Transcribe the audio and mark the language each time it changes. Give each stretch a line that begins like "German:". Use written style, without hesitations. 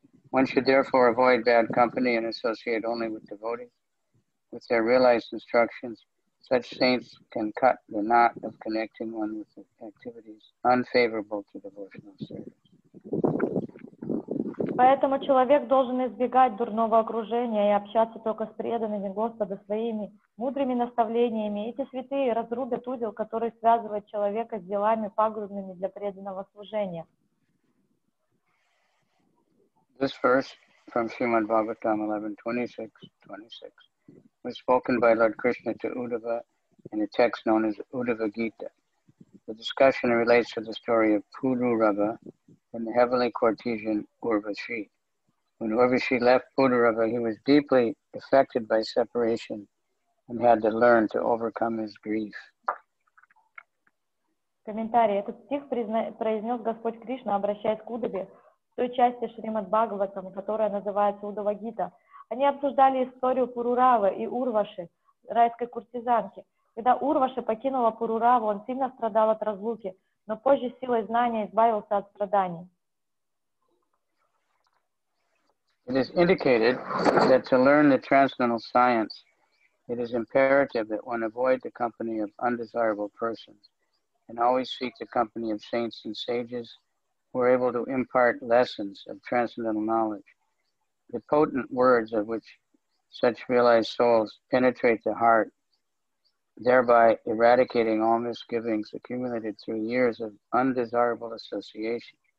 English: One should therefore avoid bad company and associate only with devotees. With their realized instructions, such saints can cut the knot of connecting one with activities unfavorable to devotional service.
Russian: Поэтому человек должен избегать дурного окружения и общаться только с преданными Господа своими мудрыми наставлениями. Эти святые разрубят узел, который связывает человека с делами пагубными для преданного служения.
English: This verse from Srimad Bhagavatam 11:26-26 was spoken by Lord Krishna to Uddhava in a text known as Uddhava Gita. The discussion relates to the story of Pururaba and the heavenly courtesan Urvashi. When Urvashi left Pururaba, he was deeply affected by separation and had to learn to overcome his grief.
Russian: Комментарий. Этот стих произнес Господь Кришна, обращаясь к Удаве, в той части Шримад Бхагаватам, которая называется Удава Гита. Они обсуждали историю Пуруравы и Урваши, райской куртизанки. Когда Урваши покинула Пурураву, он сильно страдал от разлуки, но позже силой знания избавился от страданий.
English: It is indicated that to learn the transcendental science, it is imperative that one avoid the company of undesirable persons and always seek the company of saints and sages who are able to impart lessons of transcendental knowledge, the potent words of which such realized souls penetrate the heart, thereby eradicating all misgivings accumulated through years of undesirable association.